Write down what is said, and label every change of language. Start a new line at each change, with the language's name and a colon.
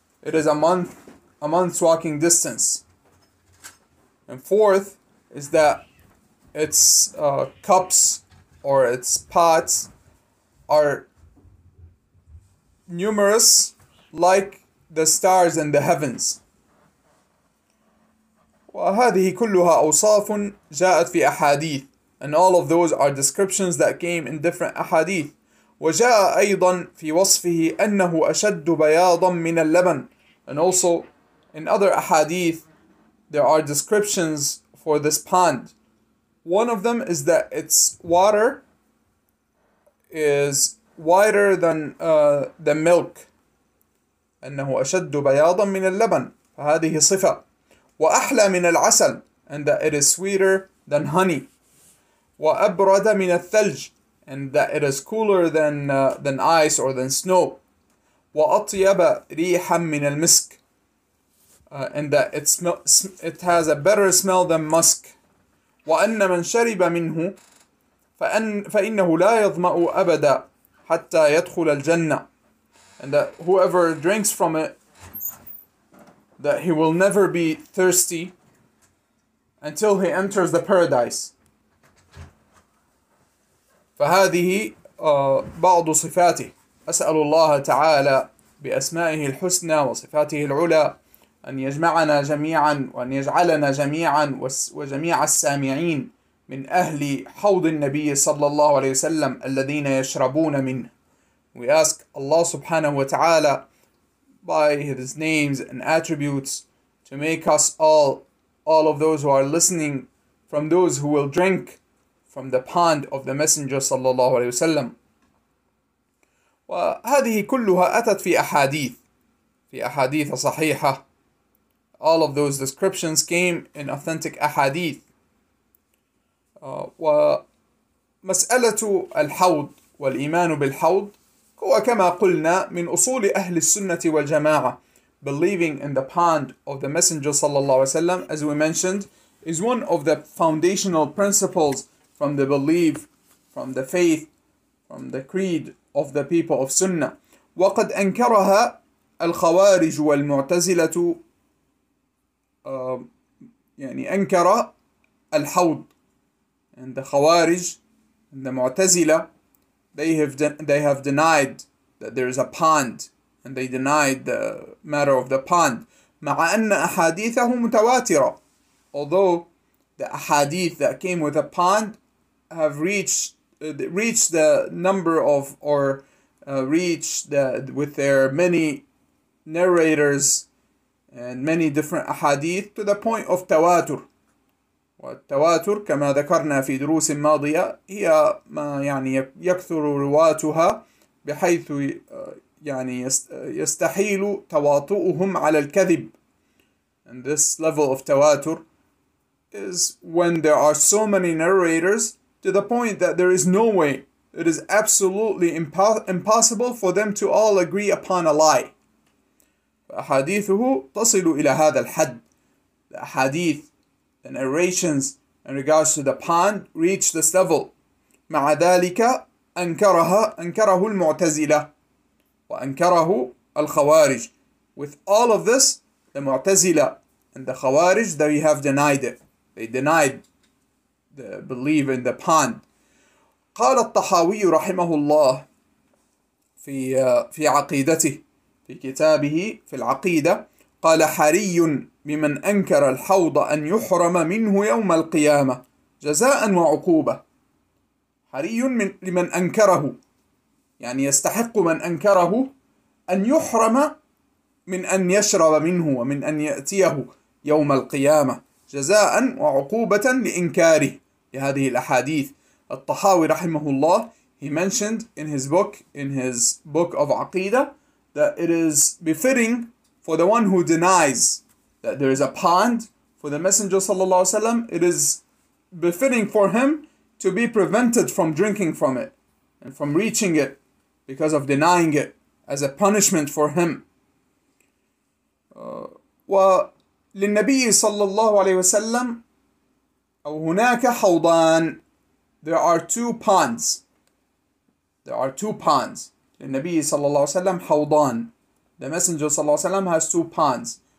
English: It is a month's walking distance. And fourth is that its cups or its pots are numerous like the stars in the heavens.
Arabic: وهذه كلها أوصاف جاءت في أحاديث.
English: And all of those are descriptions that came in different أحاديث.
Arabic: وجاء أيضا في وصفه أنه أشد بياضا من اللبن.
English: And also in other أحاديث there are descriptions for this pond. One of them is that its water is whiter than the milk.
Arabic: أنه أشد بياضا من اللبن، فهذه صفة. وأحلى من العسل،
English: and that it is sweeter than honey.
Arabic: وأبرد من الثلج،
English: and that it is cooler than ice or than snow.
Arabic: وأطيب ريحا من المسك،
English: and that it has a better smell than musk.
Arabic: وأن من شرب منه فإنه لا يظمأ أبدا حتى يدخل الجنة.
English: And that whoever drinks from it, that he will never be thirsty until he enters the paradise.
Arabic: فهذه بعض صفاته. أسأل الله تعالى بأسمائه الحسنى وصفاته العلى أن يجمعنا جميعا وأن يجعلنا جميعا وجميع السامعين من أهل حوض النبي صلى الله عليه وسلم الذين يشربون منه.
English: We ask Allah subhanahu wa ta'ala by his names and attributes to make us all of those who are listening from those who will drink from the pond of the messenger
Arabic: صلى الله عليه وسلم. وهذه كلها أتت في أحاديث صحيحة.
English: All of those descriptions came in authentic ahadith.
Arabic: ومسألة الحوض والإيمان بالحوض هو كما قلنا من أصول أهل السنة والجماعة.
English: Believing in the pond of the messenger
Arabic: صلى الله عليه وسلم,
English: as we mentioned, is one of the foundational principles from the belief, from the faith, from the creed of the people of Sunnah.
Arabic: وقد أنكرها الخوارج والمعتزلة يعني أنكر الحوض.
English: And the خوارج and the معتزلة, they have denied that there is a pond, and they denied the matter of the pond.
Arabic: مع أن أحاديثه متواترة.
English: Although the ahadith that came with a pond have reached the number of or reached the with their many narrators and many different ahadith to the point of tawatur.
Arabic: والتواتر كما ذكرنا في دروس ماضية هي ما يعني يكثر رواتها بحيث يعني يستحيل تواطؤهم على الكذب.
English: And this level of tawatur is when there are so many narrators to the point that there is no way, it is absolutely impossible for them to all agree upon a lie.
Arabic: فأحاديثه تصل إلى هذا الحد.
English: الأحاديث, the narrations in regards to the pond reach this level.
Arabic: مع ذلك أنكره المعتزلة وأنكره الخوارج.
English: With all of this, the معتزلة and the خوارج, they have denied it. They denied the belief in the pond.
Arabic: قال الطحاوي رحمه الله في عقيدته في كتابه في العقيدة قال حري بمن أنكر الحوض أن يحرم منه يوم القيامة جزاء وعقوبة. حري من لمن أنكره, يعني يستحق من أنكره أن يحرم من أن يشرب منه ومن أن يأتيه يوم القيامة جزاء وعقوبة لإنكاره لهذه الأحاديث. الطحاوي رحمه الله,
English: he mentioned in his book of عقيدة that it is befitting for the one who denies that there is a pond for the messenger sallallahu alaihi wasallam, it is befitting for him to be prevented from drinking from it and from reaching it because of denying it as a punishment for him.
Arabic: وللنبي صلى الله عليه وسلم أو هناك حوضان,
English: there are two ponds
Arabic: للنبي صلى الله عليه وسلم حوضان.
English: The messenger
Arabic: صلى الله عليه وسلم
English: has two ponds.